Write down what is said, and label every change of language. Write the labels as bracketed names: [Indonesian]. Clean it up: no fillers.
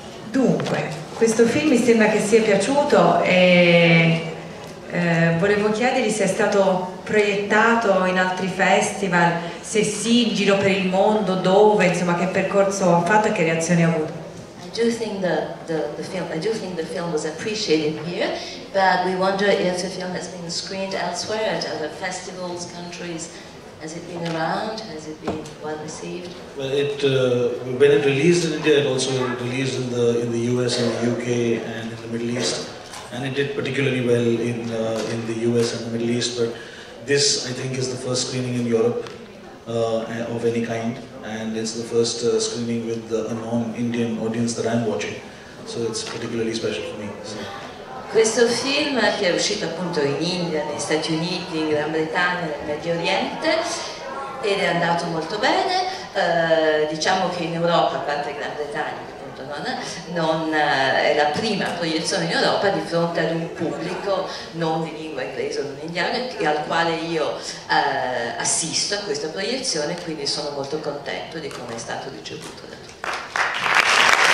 [Italian] Dunque, questo film mi sembra che sia piaciuto e volevo chiedergli se è stato proiettato in altri festival, se sì, in giro per il mondo, dove, insomma, che percorso ha fatto e che reazioni ha avuto. [English] I do think the film. I do think the film was appreciated here, but we wonder if the film has been screened elsewhere at other festivals, countries. Has it been around? Has it been well received? Well, when it released in India, it also released in the US and the UK and in the Middle East, and it did particularly well in the US and the Middle East. But this, I think, is the first screening in Europe of any kind. And it's the first screening with a non-Indian audience that I'm watching, so it's particularly special for me. So. [Italian] Questo film che è uscito appunto in India, negli Stati Uniti, in Gran Bretagna, nel Medio Oriente, ed è andato molto bene. Diciamo che in Europa, a parte Gran Bretagna, appunto non è la prima proiezione in Europa di fronte ad un pubblico non di lingua inglese o non indiana e al quale io assisto a questa proiezione, quindi sono molto contento di come è stato ricevuto da tutti.